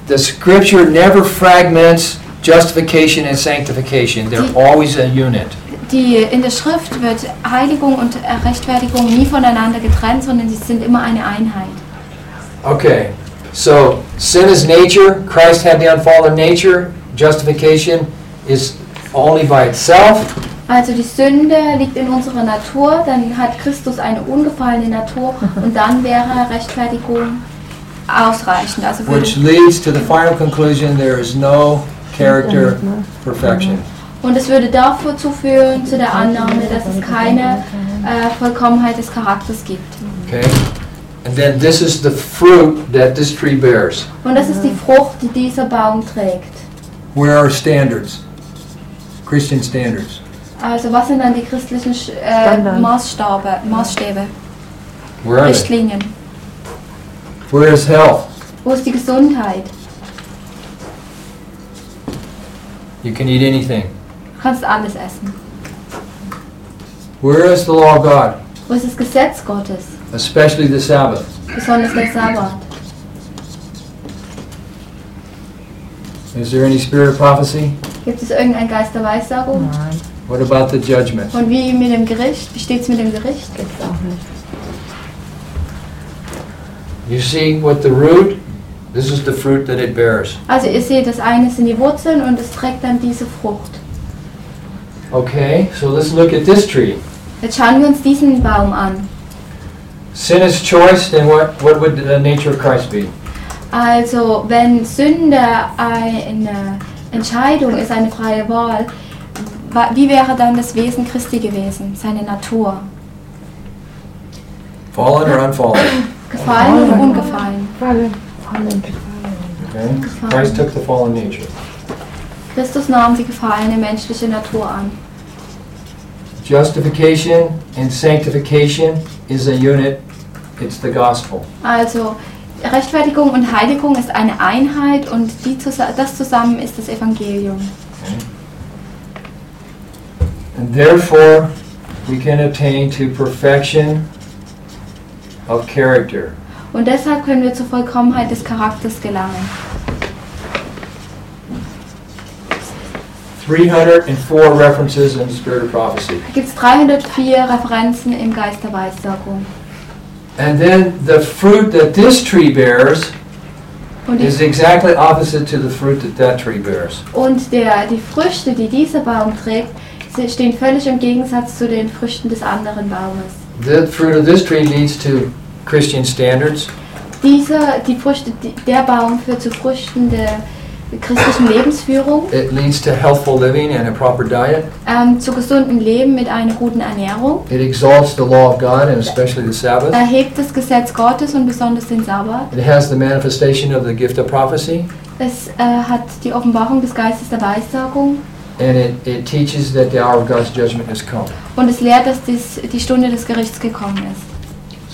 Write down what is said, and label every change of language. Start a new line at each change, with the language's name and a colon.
English: The scripture never fragments justification and sanctification. They're always a unit.
German: die in der Schrift wird Heiligung und Rechtfertigung nie voneinander getrennt, sondern sie sind immer eine Einheit.
English: Okay, so sin is nature. Christ had the unfallen nature. Justification is only by itself.
German: Also die Sünde liegt in unserer Natur, dann hat Christus eine ungefallene Natur und dann wäre Rechtfertigung ausreichend. Also
English: which leads to the final conclusion, there is no character perfection.
German: Und es würde dazu führen, zu der Annahme, dass es keine Vollkommenheit des Charakters gibt. Okay.
English: And then this is the fruit that this tree bears.
German: Und das ist die Frucht, die dieser Baum trägt.
English: Where are standards? Christian standards.
German: Also was sind dann die christlichen Maßstäbe?
English: Where are
German: Richtlinien.
English: They? Where is health?
German: Wo ist die Gesundheit?
English: You can eat anything.
German: Du kannst alles essen.
English: Where is the law of God?
German: Wo ist das Gesetz Gottes?
English: Especially the Sabbath.
German: Besonders der Sabbat.
English: Is there any spirit of prophecy?
German: Gibt es irgendeinen Geist der Weissagung? Nein.
English: What about the judgment?
German: Und wie mit dem Gericht? Wie steht's mit dem Gericht? Gibt's auch nicht.
English: You see what the root? This is the fruit that it bears.
German: Also ihr seht, das eine sind die Wurzeln und es trägt dann diese Frucht.
English: Okay, so let's look at this tree.
German: Jetzt schauen wir uns diesen Baum an.
English: Sin is choice, then what would the nature of Christ be?
German: Also wenn Sünde eine Entscheidung ist, eine freie Wahl, wie wäre dann das Wesen Christi gewesen, seine Natur?
English: Fallen or unfallen?
German: Gefallen oder ungefallen?
English: Fallen. Okay. Christ took the fallen nature.
German: Christus nahm die gefallene menschliche Natur an.
English: Justification and sanctification is a unit. It's the gospel.
German: Also Rechtfertigung und Heiligung ist eine Einheit und das zusammen ist das Evangelium. Okay.
English: And therefore, we can attain to perfection of character.
German: Und deshalb können wir zur Vollkommenheit des Charakters gelangen.
English: 304 references in the spirit of prophecy.
German: Gibt's 304 Referenzen im Geist der Weissagung.
English: And then the fruit that this tree bears is exactly opposite to the fruit that that tree bears.
German: Und die Früchte, die dieser Baum trägt, sie stehen völlig im Gegensatz zu den Früchten des anderen Baumes.
English: The fruit of this tree leads to Christian standards.
German: Der Baum führt zu Früchten der christlichen Lebensführung.
English: It leads to healthful living and a proper diet.
German: Zu gesunden Leben mit einer guten Ernährung.
English: It exalts the law of God and especially the Sabbath.
German: Erhebt das Gesetz Gottes und besonders den Sabbat.
English: It has the manifestation of the gift of prophecy.
German: Es hat die Offenbarung des Geistes der Weissagung.
English: And it teaches that the hour of God's judgment has come.
German: Und es lehrt, dass die Stunde des Gerichts gekommen ist.